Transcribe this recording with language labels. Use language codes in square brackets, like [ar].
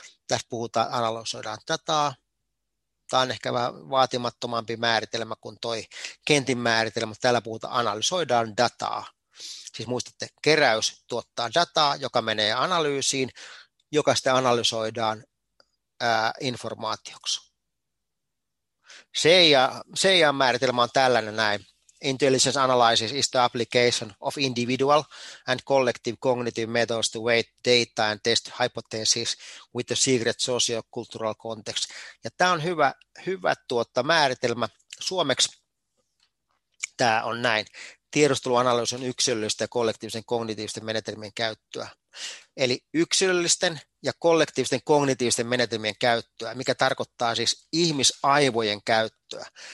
[fi] Tässä puhutaan, analysoidaan dataa. Tämä on ehkä vähän vaatimattomampi määritelmä kuin toi Kentin määritelmä. Täällä puhutaan, analysoidaan dataa. Siis muistatte, keräys tuottaa dataa, joka menee analyysiin, joka sitten analysoidaan informaatioksi. Seijan määritelmä on tällainen näin. [en] Intelligence analysis is the application of individual and collective cognitive methods to weight data and test hypotheses with the secret socio-cultural context. [fi] Ja tämä on hyvä määritelmä. Suomeksi tämä on näin. Tiedusteluanalyysi on yksilöllistä ja kollektiivisen kognitiivisten menetelmien käyttöä. Eli yksilöllisten ja kollektiivisten kognitiivisten menetelmien käyttöä, mikä tarkoittaa siis ihmisaivojen käyttöä.